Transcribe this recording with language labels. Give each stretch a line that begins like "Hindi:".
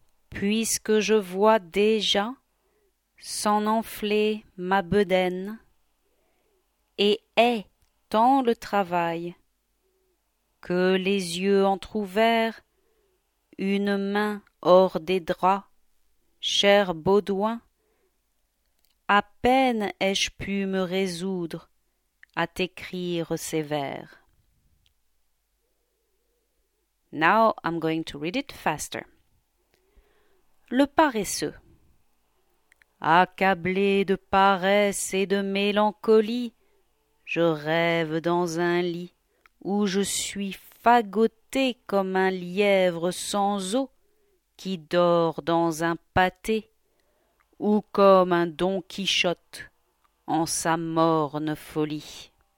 French: Puisque je vois déjà s'en enfler ma bedaine et hais tant le travail que les yeux entr'ouverts, une main hors des draps, cher Baudouin, à peine ai-je pu me résoudre à t'écrire ces vers.
English: Now I'm going to read it faster.
French: Le paresseux. Accablé de paresse et de mélancolie, je rêve dans un lit où je suis fagoté comme un lièvre sans eau qui dort dans un pâté ou comme un Don Quichotte en sa morne folie.